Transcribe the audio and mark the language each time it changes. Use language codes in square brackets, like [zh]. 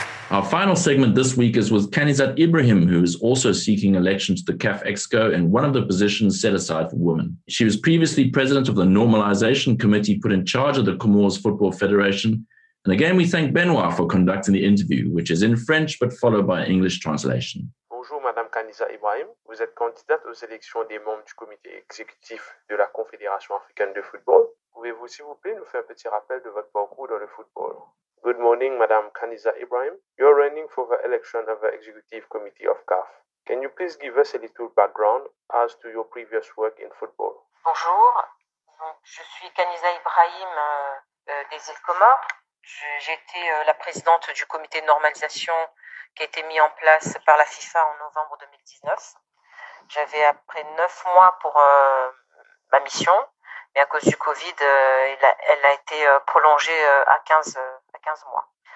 [en] Our final segment this week is with Kanizat Ibrahim, who is also seeking election to the CAF Exco in one of the positions set aside for women. She was previously president of the Normalization Committee put in charge of the Comores Football Federation. And again, we thank Benoit for conducting the interview, which is in French, but followed by English translation. [fr] Bonjour, Madame Kanizat Ibrahim. Vous êtes candidate aux élections des membres du comité exécutif de la Confédération africaine de football. Pouvez-vous, s'il vous plaît, nous faire un petit rappel de votre parcours dans le football? [en] Good morning, Madame Kanizat Ibrahim. You're running for the election of the Executive Committee of CAF. Can you please give us a little background as to your previous work in football? [fr] Bonjour. Donc, je suis Kanizat Ibrahim des îles Comores. J'étais la présidente du comité de normalisation qui a été mis en place par la FIFA en novembre 2019. J'avais après 9 mois pour ma mission, mais à cause du Covid, elle a été prolongée à 15 mois.